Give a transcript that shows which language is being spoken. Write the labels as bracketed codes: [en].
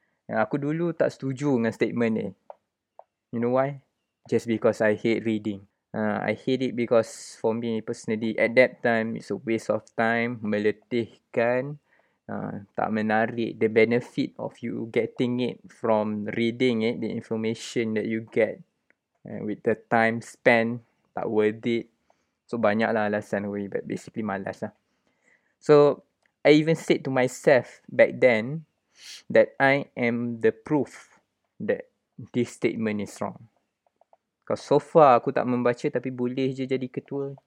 [ms] Yang aku dulu tak setuju dengan statement ni. [en] You know why? Just because I hate reading. I hate it because for me personally, at that time, it's a waste of time, [ms] meletihkan, tak menarik. [en] The benefit of you getting it from reading it, the information that you get with the time spent, tak worth it. So, [ms] banyaklah alasan, [en] but basically [ms] malas lah. [en] So, I even said to myself back then that I am the proof that this statement is wrong. [ms] Kalau so far aku tak membaca tapi boleh je jadi ketua.